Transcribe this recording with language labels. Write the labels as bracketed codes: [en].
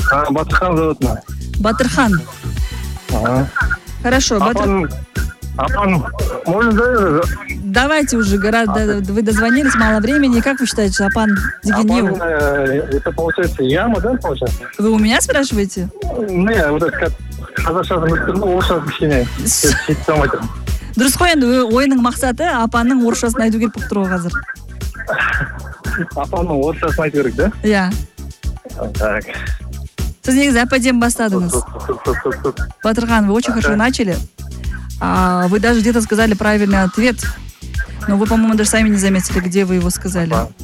[ru] Батырхан зовут меня. Батырхан. Ага. Хорошо, Батырхан. Апан, можно дозвониться? Давайте уже, вы дозвонились, мало времени. Как вы считаете, Апан Дегенев? Апан, это получается яма, да, получается? Вы у меня спрашиваете? Не, вот это как... [kk] Дұрыс қой, енді ойының мақсаты апаның орысшасын айту керек тұр ғой қазір. Апаның орысшасын айту керек, [ru] да? [kk] Иә. [ru] Так. [kk] Сіз негізі әпәден бастадыңыз. [ru] Батырхан, вы очень хорошо начали. Вы даже где-то сказали правильный ответ. Но вы, по-моему, даже сами не заметили, где вы его сказали.